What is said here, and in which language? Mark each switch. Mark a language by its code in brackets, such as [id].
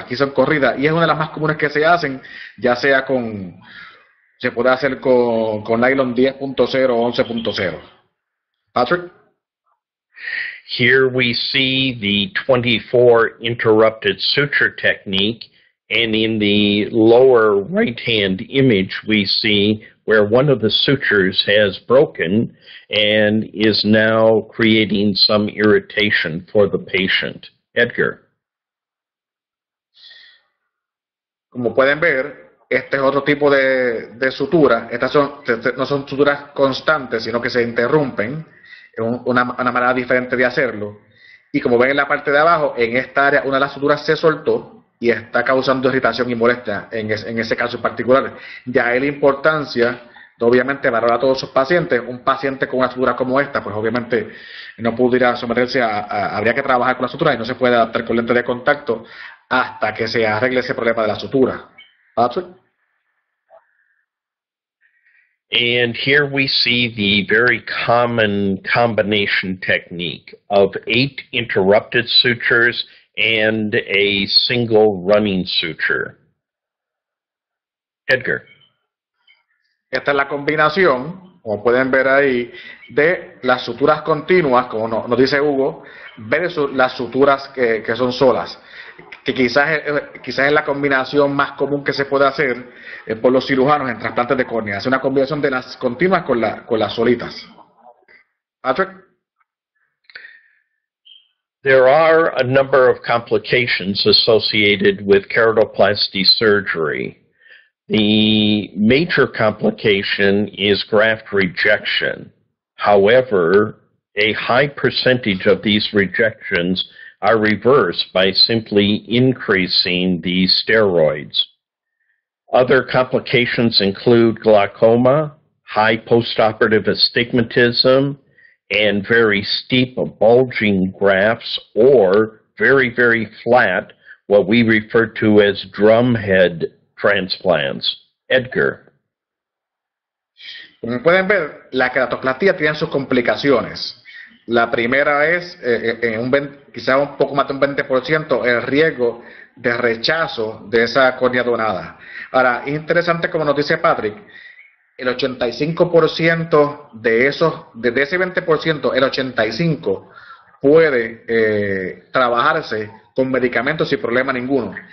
[es] Aquí son corridas y es una de las más comunes que se hacen, ya sea con se puede hacer con nylon 10.0 o 11.0. Patrick. [en] Here we see the 24 interrupted suture technique, and in the lower right-hand image, we see where one of the sutures has broken and is now creating some irritation for the patient. Edgar. [es] Como pueden ver, este es otro tipo de sutura. Estas no son suturas constantes, sino que se interrumpen. Es una manera diferente de hacerlo. Y como ven en la parte de abajo, en esta área, una de las suturas se soltó y está causando irritación y molestia en ese caso en particular. De ahí la importancia de, obviamente, valorar a todos sus pacientes. Un paciente con una sutura como esta, pues obviamente no pudiera someterse habría que trabajar con la sutura y no se puede adaptar con lentes de contacto hasta que se arregle ese problema de la sutura. Patrick. [en] And here we see the very common combination technique of 8 interrupted sutures and a single running suture. Edgar. [es] Esta es la combinación, como pueden ver ahí, de las suturas continuas, como nos dice Hugo, versus las suturas que son solas. Que quizás es la combinación más común que se puede hacer por los cirujanos en trasplantes de córneas. Es una combinación de las continuas con las solitas. Patrick. [en] There are a number of complications associated with keratoplasty surgery. The major complication is graft rejection. However, a high percentage of these rejections are reversed by simply increasing the steroids. Other complications include glaucoma, high postoperative astigmatism, and very steep bulging grafts, or very, very flat, what we refer to as drumhead transplants. Edgar. [es] Como pueden ver, la keratoplastia tiene sus complicaciones. La primera es, quizá un poco más de un 20%, el riesgo de rechazo de esa córnea donada. Ahora, es interesante, como nos dice Patrick, el 85% de esos, desde ese 20%, el 85% puede trabajarse con medicamentos sin problema ninguno.